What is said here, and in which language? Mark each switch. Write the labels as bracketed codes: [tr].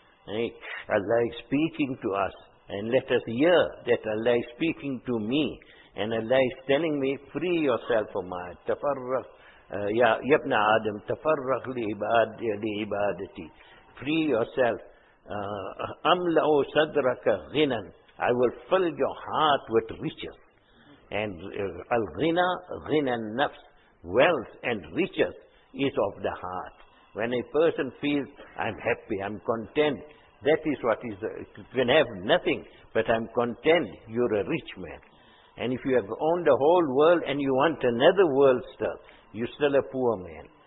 [en] Allah is speaking to us, and let us hear that Allah is speaking to me, and Allah is telling me, free yourself for my tafarrag. [ar] Yabna Adam, tafarrag li ibadati. [en] Free yourself. [ar] أَمْلَأُ صَدْرَكَ غِنًا. [en] I will fill your heart with riches. [ar] And الْغِنَى غِنَى النَّفْس. [en] Wealth and riches is of the heart. When a person feels, I'm happy, I'm content, that is what is, can have nothing, but I'm content, you're a rich man. And if you have owned the whole world and you want another world still, you're still a poor man.